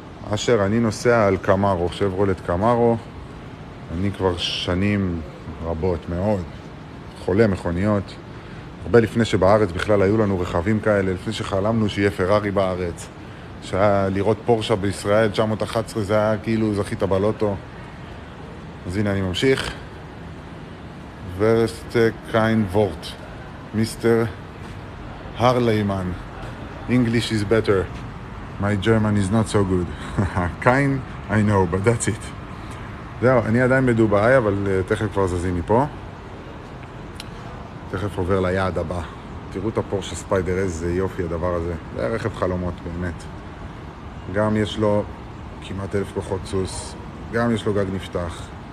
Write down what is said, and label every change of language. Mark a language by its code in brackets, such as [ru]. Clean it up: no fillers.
[he] אשר, אני נוסע על קמרו, שברולט קמרו. אני כבר שנים רבות מאוד חולה מכוניות, הרבה לפני שבארץ בכלל היו לנו רכבים כאלה, לפני שחלמנו שיהיה פרארי בארץ, שהיה לראות פורשה בישראל 911, זה היה כאילו זכית בלוטו. אז הנה אני ממשיך. [de] ורסט קיין וורט, [en] מיסטר הרליימן, English is better, my German is not so good. קיין, I know, but that's it. [he] זהו, אני עדיין בדובאי, אבל תכף כבר זזים מפה. תכף עובר ליעד הבא. תראו את הפורשה ספיידר, איזה יופי הדבר הזה. זה היה רכב חלומות, באמת. גם יש לו כמעט 1,000 כוחות סוס, גם יש לו גג נפתח.